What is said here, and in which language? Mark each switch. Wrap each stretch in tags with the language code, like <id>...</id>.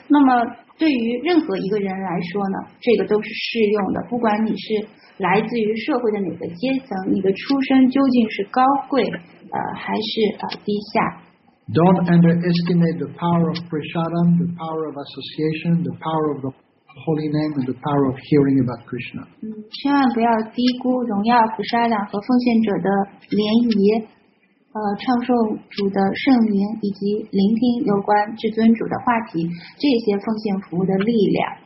<zh>那么对于任何一个人来说呢，这个都是适用的，不管你是来自于社会的哪个阶层，你的出身究竟是高贵还是低下。</zh> <en>Don't underestimate the power of prasadam, the power of association, the power of the holy name, and the power of hearing about Krishna.</en> <zh>千万不要低估荣耀普沙朗和奉献者的联谊，唱诵主的圣名，以及聆听有关至尊主的话题，这些奉献服务的力量。</zh>